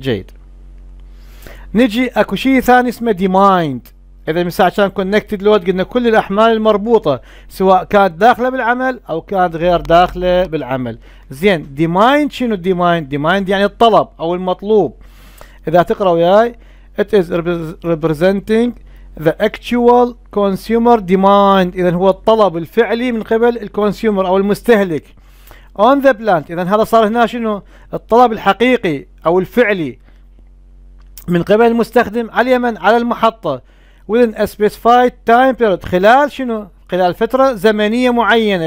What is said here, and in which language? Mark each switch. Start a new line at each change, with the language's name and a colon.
Arabic: جيد نجي اكو شيء ثاني اسمه ديمايند. اذا من ساعه كان كونكتد لود قلنا كل الاحمال المربوطه سواء كانت داخله بالعمل او كانت غير داخله بالعمل. زين ديمايند شنو ديمايند؟ ديمايند يعني الطلب او المطلوب. اذا تقرا وياي
English: it is representing the actual consumer demand.
Arabic: اذا هو الطلب الفعلي من قبل الكونسيومر او المستهلك
English: on the plant.
Arabic: اذا هذا صار هنا شنو؟ الطلب الحقيقي او الفعلي من قبل المستخدم على اليمن على المحطة
English: within a specified time period،
Arabic: خلال شنو؟ خلال فترة زمنية معينة.